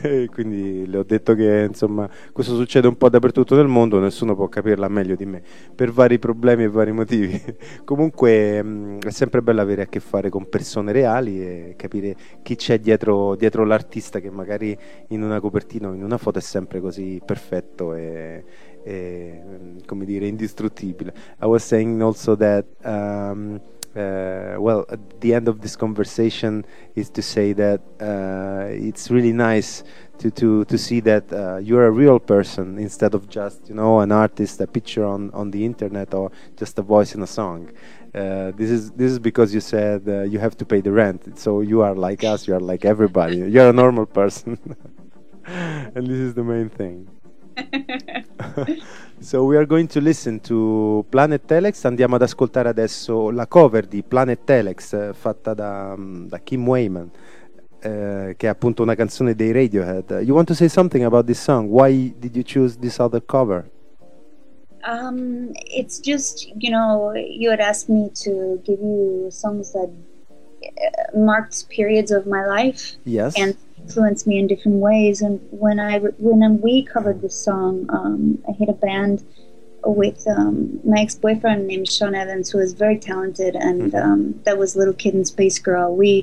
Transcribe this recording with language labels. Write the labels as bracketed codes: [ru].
[it] Quindi le ho detto che insomma questo succede un po' dappertutto nel mondo, nessuno può capirla meglio di me per vari problemi e vari motivi. Comunque è sempre bello avere a che fare con persone reali e capire chi c'è dietro l'artista, che magari in una copertina o in una foto è sempre così perfetto e come dire indistruttibile. [en] I was saying also that well, at the end of this conversation is to say that it's really nice to see that you're a real person instead of just, you know, an artist, a picture on the internet, or just a voice in a song. This is because you said you have to pay the rent, so you are like us, you are like everybody, you're a normal person. And this is the main thing. So we are going to listen to Planet Telex. [it] Andiamo ad ascoltare adesso la cover di Planet Telex fatta da Kim Wayman, che è appunto una canzone dei Radiohead. [en] You want to say something about this song? Why did you choose this other cover? It's just, you know, you had asked me to give you songs that marked periods of my life. Yes. And influenced me in different ways. And when we covered this song, I hit a band with my ex-boyfriend named Sean Evans, who is very talented, and that was Little Kid and Space Girl.